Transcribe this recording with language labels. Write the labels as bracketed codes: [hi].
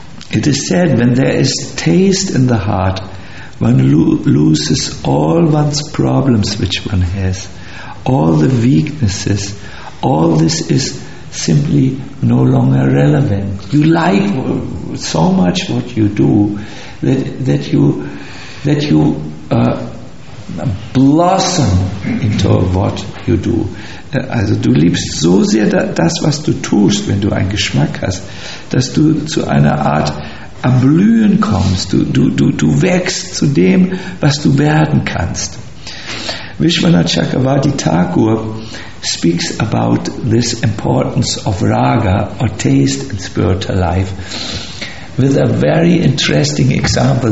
[en] It is said, when there is taste in the heart, one loses all one's problems which one has, all the weaknesses. All this is simply no longer relevant. You like so much what you do that you blossom into what you do. [de] Also du liebst so sehr das, was du tust, wenn du einen Geschmack hast, dass du zu einer Art am Blühen kommst. Du wächst zu dem, was du werden kannst. [en] Vishwanatha Chakravarti Thakur speaks about this importance of raga or taste in spiritual life with a very interesting example.